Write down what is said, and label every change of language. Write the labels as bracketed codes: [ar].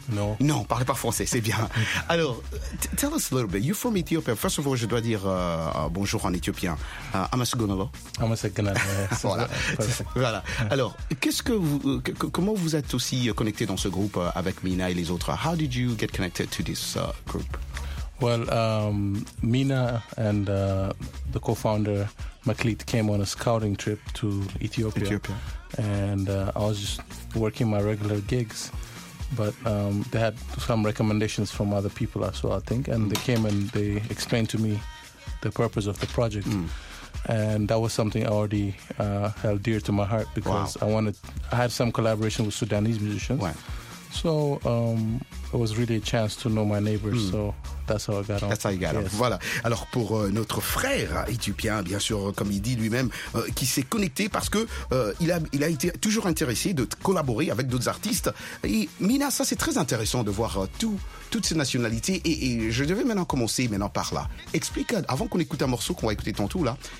[fr] Non. Non, parlez pas français. C'est bien. Alors, [en] tell us a little bit. You're from Ethiopia. First of all, [fr] je dois dire bonjour en éthiopien. [am] Amasugunalo. Amasugunalo. [fr] Voilà. Voilà. Alors, comment vous êtes aussi connecté dans ce groupe avec Mina et les autres? [en] How did you get connected to this group? Well, Mina and the co-founder Maklit came on a scouting trip to Ethiopia. And I was just working my regular gigs, but they had some recommendations from other people as well, I think, and they came and they explained to me the purpose of the project. And that was something I already held dear to my heart, because I had some collaboration with Sudanese musicians. Wow. So it was really a chance to know my neighbors. So that's how I got on. That's how you got on. Yes. Voilà. [fr] Alors pour notre frère éthiopien, bien sûr, comme il dit lui-même, qui s'est connecté parce que il a été toujours intéressé de collaborer avec d'autres artistes. Et Mina, ça c'est très intéressant de voir toutes ces nationalités. Et je devais commencer par là. Explique avant qu'on écoute un morceau qu'on va écouter tantôt là.